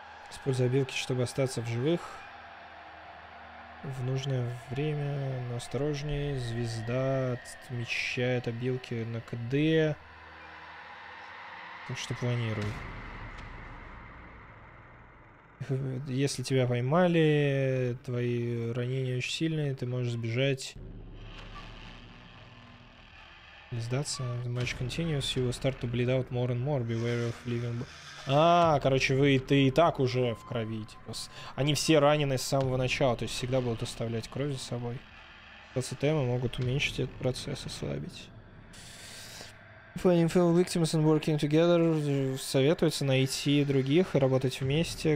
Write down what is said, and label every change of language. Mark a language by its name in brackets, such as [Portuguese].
[Russian] Используй обилки, чтобы остаться в живых в нужное время, но осторожнее, звезда отмечает обилки на КД. Так что планируй. Если тебя поймали, твои ранения очень сильные, ты можешь сбежать. Не сдаться. [English] The match continues, you will start to bleed out more and more, beware of leaving... [Russian] А, короче, вы и ты и так уже в крови, типа. Они все ранены с самого начала, то есть всегда будут оставлять кровь за собой. ПЦТМы могут уменьшить этот процесс, ослабить. [English] Finding fellow victims and working together [Russian] советуется найти других и работать вместе.